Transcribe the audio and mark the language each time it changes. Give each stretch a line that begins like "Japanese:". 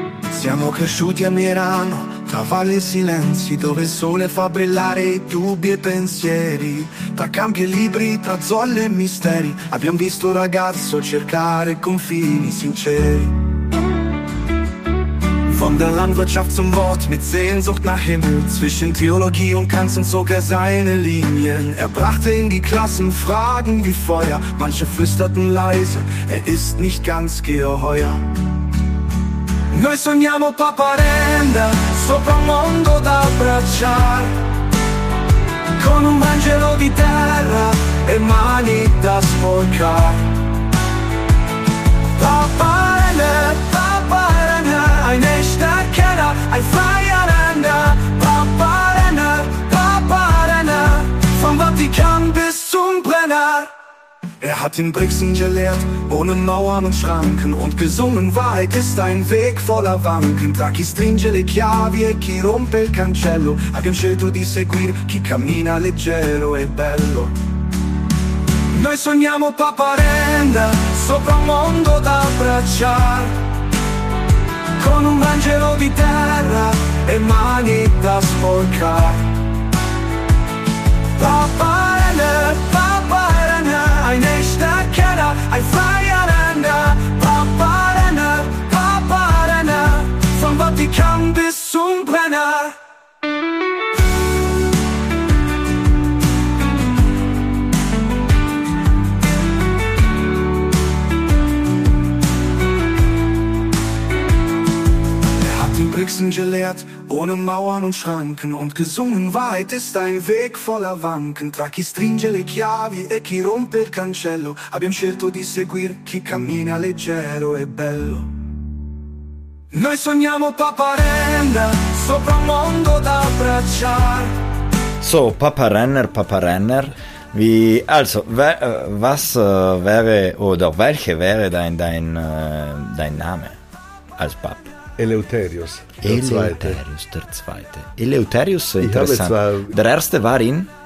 Italian: Siamo cresciuti a Milano, tra valli e silenzi, dove il sole fa brillare i dubbi e i pensieri. Tra campi e libri, tra zolle e misteri, abbiamo visto un ragazzo cercare confini sinceri.
German: Von der Landwirtschaft zum Wort, mit Sehnsucht nach Himmel, zwischen Theologie und Kanzeln zog er seine Linien. Er brachte in die Klassen Fragen wie Feuer, manche flüsterten leise, er ist nicht ganz geheuer.
Italian: Noi sogniamo paparenda, sopra un mondo da abbracciar, con un angelo di terra e mani da sporcar.
German: Paparenda, paparenda, ein echter Kenner, ein Feierender. Paparenda, paparenda, vom Vatikan bis zum Brenner. Er hat in Brixen gelehrt, ohne Mauern und Schranken, und gesungen, Wahrheit ist ein Weg voller Wanken.
Italian: Tra chi stringe le chiavi e chi rompe il cancello, abbiamo scelto di seguir chi cammina leggero e bello. Noi sogniamo paparenda, sopra un mondo da abbracciar, con un angelo di terra e mani da sporcar.
German: Paparenda, ein echter Kenner, ein Feierender. Paparenner, Paparenner, vom Vatikan bis zum Brenner. Er hat den Brixen gelehrt, ohne Mauern und Schranken, und gesungen, Wahrheit ist ein Weg voller Wanken.
Italian: Tra chi stringe le chiavi e chi rompe il cancello, abbiamo scelto di seguir chi cammina leggero e bello. Noi sogniamo paparenda, sopra un mondo da abbracciar.
German: So, paparenner, paparenner, wie, also, was wäre, oder welche wäre dein Name als Pap? Eleutherios. Eleutherios, der Zweite. Eleutherios, interessant. Der Erste war in?